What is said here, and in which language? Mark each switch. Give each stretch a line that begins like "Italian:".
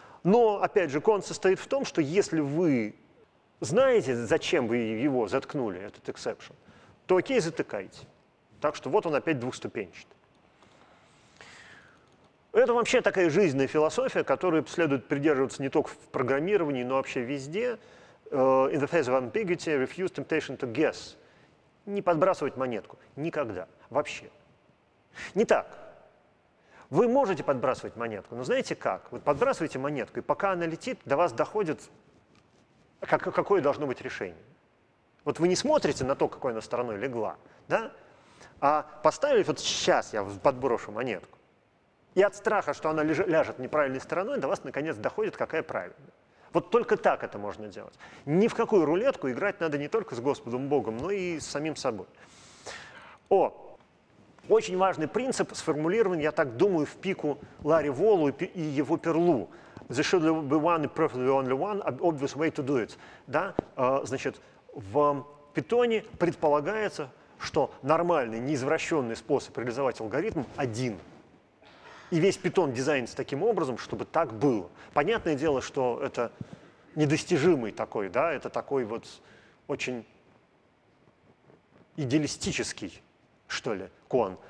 Russian: Но, опять же, кон состоит в том, что если вы знаете, зачем вы его заткнули, этот exception, то окей, затыкайте. Так что вот он опять двухступенчатый. Это вообще такая жизненная философия, которую следует придерживаться не только в программировании, но вообще везде.
English: In the face of ambiguity, refuse temptation to guess.
Russian: Не подбрасывать монетку. Никогда. Вообще. Не так. Вы можете подбрасывать монетку, но знаете как? Вот подбрасываете монетку, и пока она летит, до вас доходит, какое должно быть решение. Вот вы не смотрите на то, какой она стороной легла, да? А поставили, вот сейчас я подброшу монетку, и от страха, что она ляжет неправильной стороной, до вас наконец доходит, какая правильная. Вот только так это можно делать. Ни в какую рулетку играть надо не только с Господом Богом, но и с самим собой. О, очень важный принцип сформулирован, я так думаю, в пику Ларри Воллу и его перлу.
English: There should be one, preferably only one, obvious way to do it.
Russian: Да? Значит, в Питоне предполагается, что нормальный, неизвращенный способ реализовать алгоритм один. И весь Python дизайнится таким образом, чтобы так было. Понятное дело, что это недостижимый такой, да, это такой вот очень идеалистический, что ли, кон.